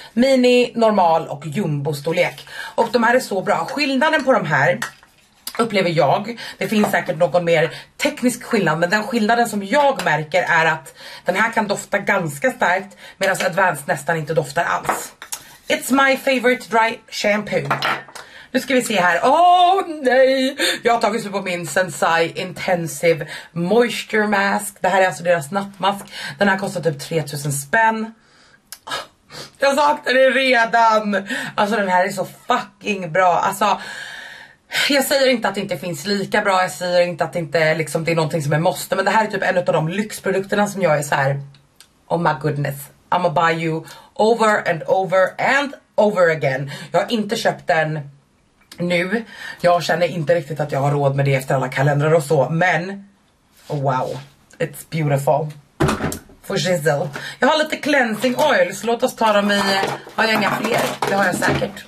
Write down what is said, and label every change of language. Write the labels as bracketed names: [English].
[Swedish] Mini, normal och jumbo storlek. Och de här är så bra. Skillnaden på de här upplever jag. Det finns säkert någon mer teknisk skillnad. Men den skillnaden som jag märker är att den här kan dofta ganska starkt. Medan Advanced nästan inte doftar alls. [English] It's my favorite dry shampoo. [Swedish] Nu ska vi se här, nej, jag har tagit slut på min Sensai Intensive Moisture Mask. Det här är alltså deras nattmask, den här kostar typ 3000 spänn. Jag saknar det redan, alltså den här är så fucking bra, alltså. Jag säger inte att det inte finns lika bra, jag säger inte att det inte liksom, det är någonting som är måste. Men det här är typ en av de lyxprodukterna som jag är så här. [English] Oh my goodness, I'ma buy you over and over and over again. [Swedish] Jag har inte köpt den nu, jag känner inte riktigt att jag har råd med det efter alla kalendrar och så, men wow, [English] it's beautiful for shizzle. [Swedish] Jag har lite cleansing oil, så låt oss ta dem i, har jag inga fler? Det har jag säkert.